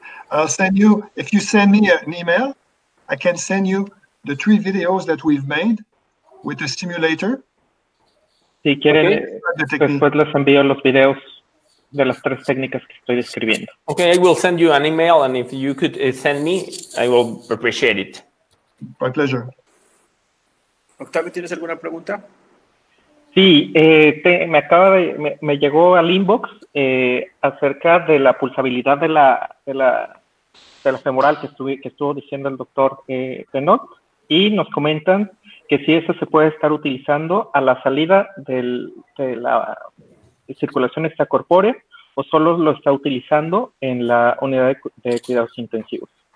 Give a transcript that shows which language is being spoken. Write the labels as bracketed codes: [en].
[en] I'll send you, if you send me an email, I can send you the three videos that we've made with the simulator. [es] Si quieren, [en] okay. [es] Después les envío los videos de las tres técnicas que estoy describiendo. [en] Okay, I will send you an email, and if you could send me, I will appreciate it. My pleasure. [es] Octavio, ¿tienes alguna pregunta? Sí, me llegó al inbox acerca de la pulsabilidad de la femoral que estuvo diciendo el doctor Denault, y nos comentan que sí, eso se puede estar utilizando a la salida de la circulación extracorpórea o solo lo está utilizando en la unidad de cuidados intensivos.